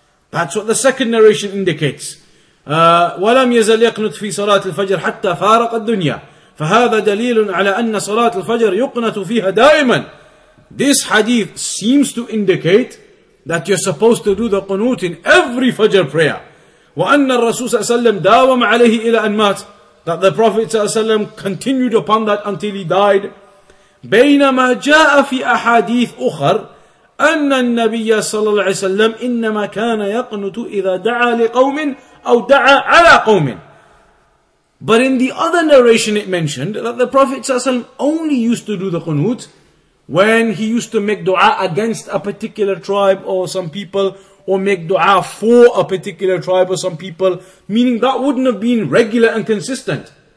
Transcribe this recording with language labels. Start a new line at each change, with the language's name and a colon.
English: That's what the second narration indicates.
Arabic: وَلَمْ يَزَلْ يَقْنُتْ فِي صَلَاةِ الْفَجْرِ حَتَّى فَارَقَ الدُّنْيَا فَهَذَا دَلِيلٌ عَلَىٰ أَنَّ صَلَاةِ الْفَجْرِ يُقْنَتُ فِيهَا دَائِمًا.
English: This hadith seems to indicate that you're supposed to do the qunut in every Fajr prayer.
Arabic: وَأَنَّ الرَّسُولَ صَلَّى اللَّهُ عَلَيْهِ وَسَلَّمَ دَاوَمَ عَلَيْهِ إِلَىٰ أَنْ مَاتَ.
English: That the Prophet ﷺ continued upon that until he died.
Arabic: بينما جاء في أحاديث أخر أن النبي صلى الله عليه وسلم إنما كان يقنط إذا دعا لقوم أو دعا على قوم.
English: But in the other narration it mentioned that the Prophet ﷺ only used to do the qunut when he used to make dua against a particular tribe or some people, or make dua for a particular tribe or some people, meaning that wouldn't have been regular and consistent.